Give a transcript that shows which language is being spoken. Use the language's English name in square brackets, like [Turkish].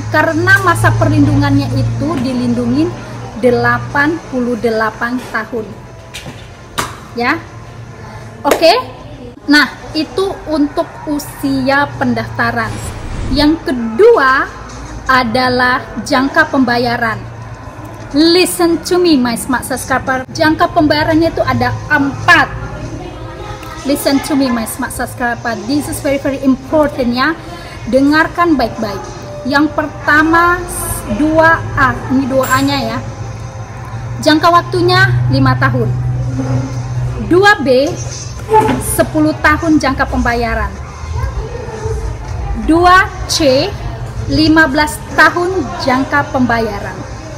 [Indonesian] Karena masa perlindungannya itu dilindungi 88 tahun. Ya. Oke. Nah, itu untuk usia pendaftaran. Yang kedua adalah jangka pembayaran. [English] Listen to me, my smart subscriber. [Indonesian] Jangka pembayarannya itu ada 4. [English] Listen to me, my smart subscriber. This is very very important ya. [Indonesian] Dengarkan baik-baik. Yang pertama 2A, ini 2A-nya ya. Jangka waktunya 5 tahun. 2B 10 tahun jangka pembayaran. 2C 15 tahun jangka pembayaran.